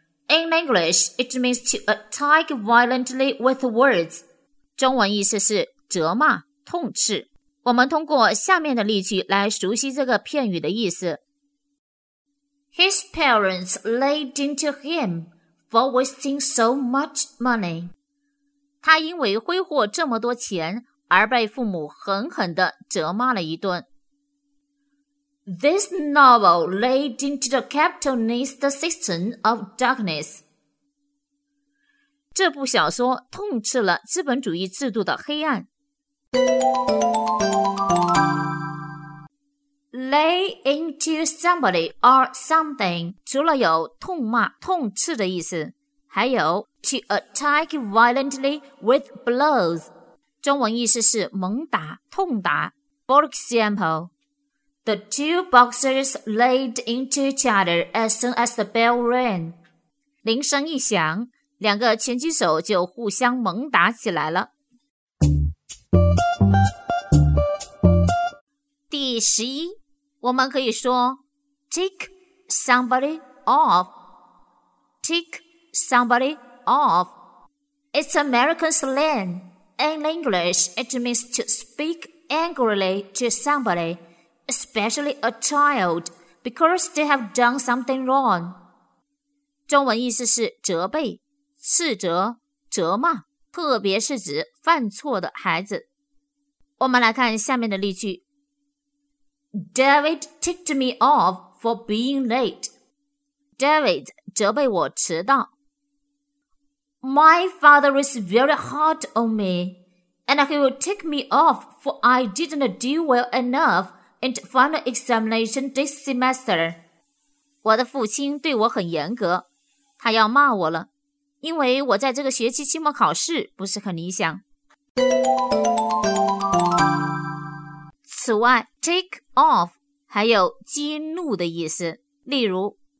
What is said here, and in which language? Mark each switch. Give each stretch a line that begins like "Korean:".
English: In English, it means to attack violently with words.
Chinese: 中文意思是责骂、痛斥。我们通过下面的例句来熟悉这个片语的意思。
English: His parents laid into him for wasting so much money.
Chinese: 他因为挥霍这么多钱而被父母狠狠地责骂了一顿。
English: This novel laid into the capitalist system of darkness.
Chinese: 这部小说痛斥了资本主义制度的黑暗。
English: Lay into somebody or something
Chinese: 除了有痛骂、痛斥的意思，还有
English: to attack violently with blows，
Chinese: 中文意思是猛打、痛打。
English: For example, the two boxers laid into each other as soon as the bell rang.
Chinese: 铃声一响，两个拳击手就互相猛打起来了。第十一。我们可以说
English: take somebody off. Take somebody off. It's American slang. In English, it means to speak angrily to somebody, especially a child, because they have done something wrong.
Chinese: 中文意思是责备、斥责、责骂，特别是指犯错的孩子。我们来看下面的例句。
English: David ticked me off for being late.
Chinese: David 责备我迟到。
English: My father is very hard on me, and he will tick me off for I didn't do well enough in the final examination this semester.
Chinese: 我的父亲对我很严格，他要骂我了，因为我在这个学期期末考试不是很理想。此外 take off 还有激怒的意思，例如